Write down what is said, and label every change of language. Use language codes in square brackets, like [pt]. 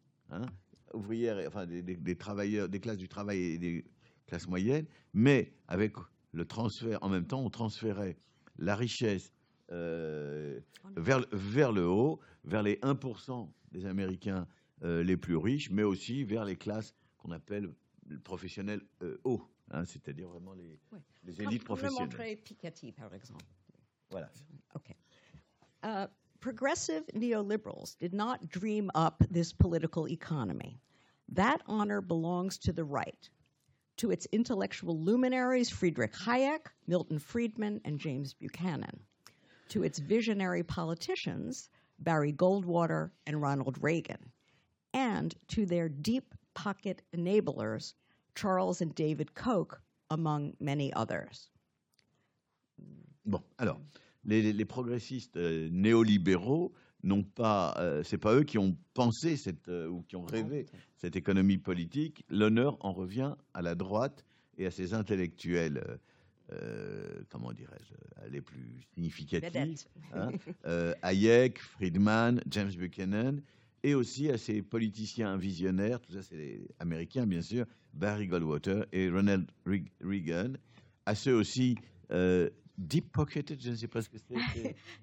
[fr] hein, ouvrières, enfin des travailleurs, des classes du travail et des classes moyennes, mais avec le transfert, en même temps on transférait la richesse vers le haut, vers les 1% des Américains les plus riches, mais aussi vers les classes qu'on appelle professionnelles hauts, hein, c'est-à-dire vraiment les, oui, les élites professionnelles. Comme le montrait Piketty, par exemple. Voilà. [en] Okay. Progressive neoliberals did not dream up this political economy. That honor belongs to the right, to its intellectual luminaries Friedrich Hayek, Milton Friedman, and James Buchanan. To its visionary politicians, Barry Goldwater and Ronald Reagan, and to their deep pocket enablers, Charles and David Koch, among many others. [fr] Bon, alors, les progressistes néolibéraux n'ont pas, c'est pas eux qui ont pensé cette, ou qui ont rêvé cette économie politique. L'honneur en revient à la droite et à ses intellectuels. Comment dirais-je, les plus significatifs, hein, Hayek, Friedman, James Buchanan, et aussi à ces politiciens visionnaires, tout ça c'est les Américains bien sûr, Barry Goldwater et Ronald Reagan, à ceux aussi deep-pocketed, je ne sais pas ce que c'est.